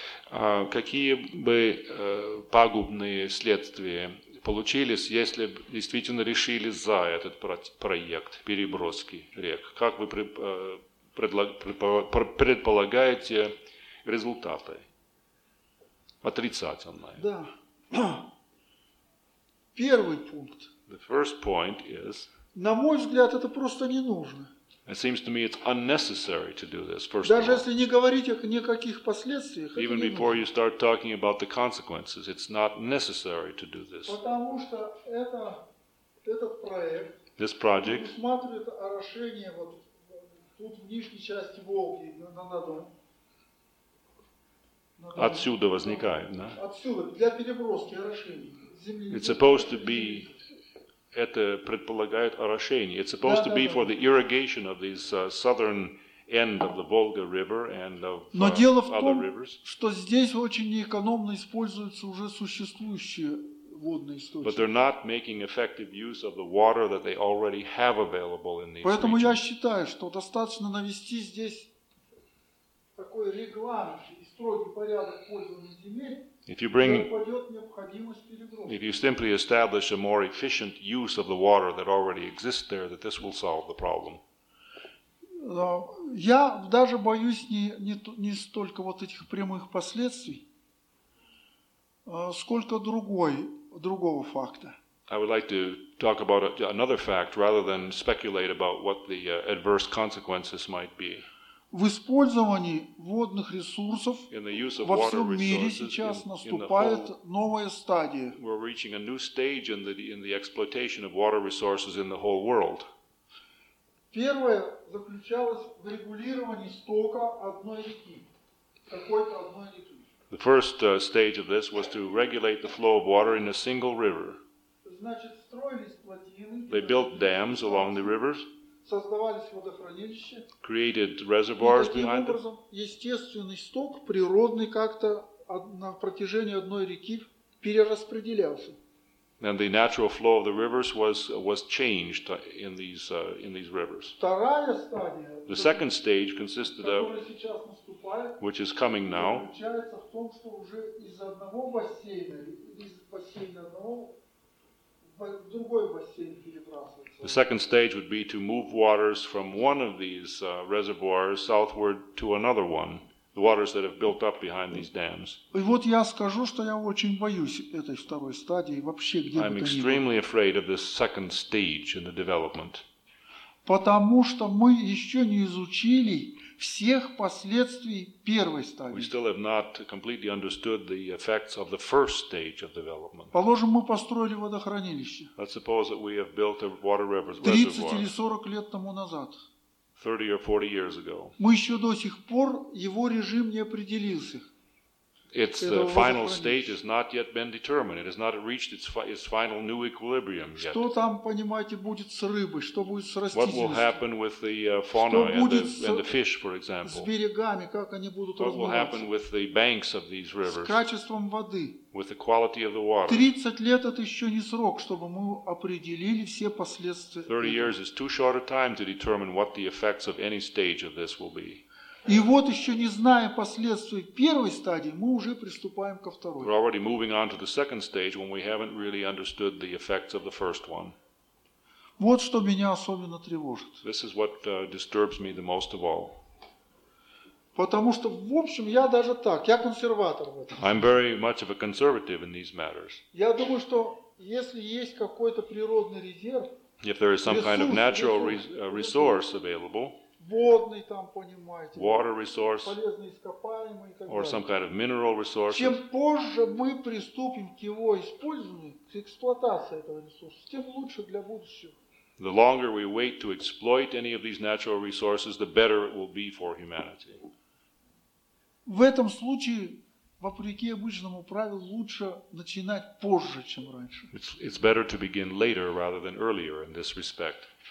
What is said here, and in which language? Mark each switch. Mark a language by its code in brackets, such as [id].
[ru] Какие бы пагубные следствия получились, если бы действительно решили за этот проект переброски рек? Как вы предполагаете результаты? Отрицательные. Да. Первый пункт. [en] The first point is, [ru] на мой взгляд, это просто не нужно. [en] It seems to me it's unnecessary to do this, first [ru] даже [en] of all. [ru] Если не говорить о никаких последствиях, [en] even before [ru] нужно. [en] You start talking about the consequences, it's not necessary to do this. [ru] Потому что этот проект, [en] this project, [ru] предусматривает орошение вот тут в нижней части Волги, на Дону. Отсюда возникает, да? Отсюда, для переброски орошения земли. [en] It's supposed to be... [ru] Это предполагает орошение. [en] It's supposed to be for the irrigation of this southern end of the Volga River and of other rivers. [ru] Но дело в том, [en] rivers. [ru] Что здесь очень неэкономно используются уже существующие водные источники. [en] But they're not making effective use of the water that they already have available in these [ru] Поэтому [en] regions. [ru] Я считаю, что достаточно навести здесь такой регламент и строгий порядок пользования земель. [en] If you simply establish a more efficient use of the water that already exists there, that this will solve the problem. [ru] Я даже боюсь не столько вот этих прямых последствий, сколько другого факта. [en] I would like to talk about another fact rather than speculate about what the adverse consequences might be. [ru] В использовании водных ресурсов во всем мире сейчас наступает новая стадия. [en] We're reaching a new stage in the exploitation of water resources in the whole world. [ru] Первое заключалось в регулировании стока одной реки, какой-то одной реки. [en] The first stage of this was to regulate the flow of water in a single river. [ru] Значит, строились плотины. [en] They built dams along the rivers. [ru] Создавались водохранилища. [en] Created reservoirs behind them. [ru] И таким образом, естественный сток, природный, как-то на протяжении одной реки перераспределялся. [en] And the natural flow of the rivers was changed in these rivers. [ru] Вторая стадия, [en] the second stage consisted of, which is coming now, [ru] заключается в том, что уже из одного бассейна, из бассейна одного, в другой бассейн перебрасывается. [en] The second stage would be to move waters from one of these reservoirs southward to another one. The waters that have built up behind these dams. [ru] И вот я скажу, что я очень боюсь этой второй стадии вообще где-то. [en] I'm extremely afraid of this second stage in the development. [ru] Потому что мы еще не изучили всех последствий первой стадии. [en] We still have not completely understood the effects of the first stage of development. [ru] Положим, мы построили водохранилище. [en] Let's suppose that we have built a water reservoir. [ru] 30 или 40 лет тому назад. [en] 30 or 40 years ago. [ru] Мы еще до сих пор его режим не определился. [en] It's the final stage has not yet been determined. It has not reached its final new equilibrium yet. [ru] Что там, понимаете, будет с рыбой? Что будет с растительностью? [en] What will happen with the fauna and the fish, for example? [ru] С берегами, как они будут размножаться? [en] What will happen with the banks of these rivers? [ru] С качеством воды. [en] With the quality of the water. [ru] 30 лет это еще не срок, чтобы мы определили все последствия. [en] 30 years is too short a time to determine what the effects of any stage of this will be. [ru] И вот еще не зная последствий первой стадии, мы уже приступаем ко второй. [en] We're already moving on to the second stage when we haven't really understood the effects of the first one. [ru] Вот что меня особенно тревожит. [en] This is what disturbs me the most of all. [ru] Потому что, в общем, я даже так, я консерватор в этом. [en] I'm very much of a conservative in these matters. [ru] Я думаю, что если есть какой-то природный резерв, [en] if there is some kind of natural resource available, [ru] водный там, понимаете, [en] water resource, [ru] полезные ископаемые, [en] or some kind of mineral resource. [ru] Чем позже мы приступим к его использованию, к эксплуатации этого ресурса, тем лучше для будущего. [en] The longer we wait to exploit any of these natural resources, the better it will be for humanity. [ru] В этом случае, вопреки обычному правилу, лучше начинать позже, чем раньше. [en] It's better to begin later rather than earlier in this respect.